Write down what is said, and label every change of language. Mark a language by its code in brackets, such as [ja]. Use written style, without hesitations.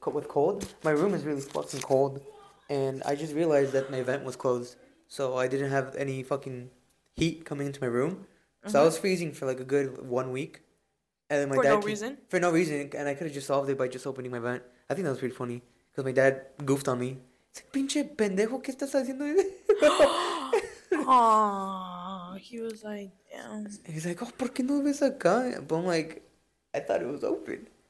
[en] With cold, my room is really fucking cold. And I just realized that my vent was closed, so I didn't have any fucking heat coming into my room. So I was freezing for like a good 1 week. And then my dad reason? For no reason, and I could have just solved it by just opening my vent. I think that was pretty funny, because my dad goofed on me. He's like, [es] pinche pendejo, ¿qué estás haciendo? [en] Aww, he was like, damn. He's like, oh, [es] ¿por qué no ves acá? [en] But I'm like, I thought it was open.